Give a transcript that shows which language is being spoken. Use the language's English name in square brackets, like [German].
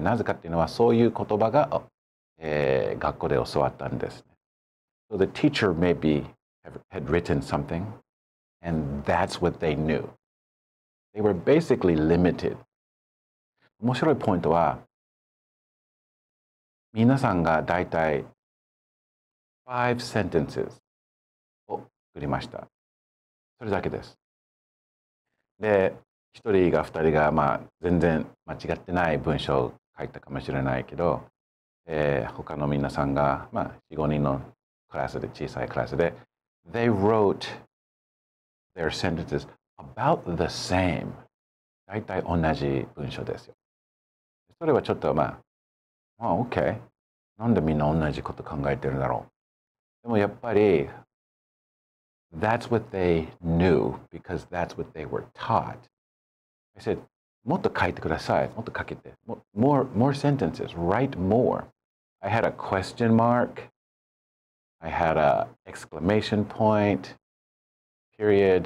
[Japanese] なぜかっていうのはそういう言葉が、学校で教わったんですね。 [English] So the teacher maybe had written something and that's what they knew. They were basically limited. [Japanese] 面白いポイントは、皆さんがだいたい [English] 5 sentences [Japanese] を作りました。それだけです。で、1人が2人が、まあ、全然間違ってない文章を書いたかもしれないけど、他の皆さんが、まあ、4、5人のクラスで、小さいクラスで、 [English] They wrote their sentences about the same. [Japanese] だいたい同じ文章ですよ。それはちょっとまあ、まあ、OK。なんでみんな同じこと考えてるんだろう。でもやっぱり、 [English] That's what they knew because that's what they were taught. I said, [Japanese] もっと書いてください。もっと書けて。 [English] More sentences. Write more. I had a question mark. I had a exclamation point. Period.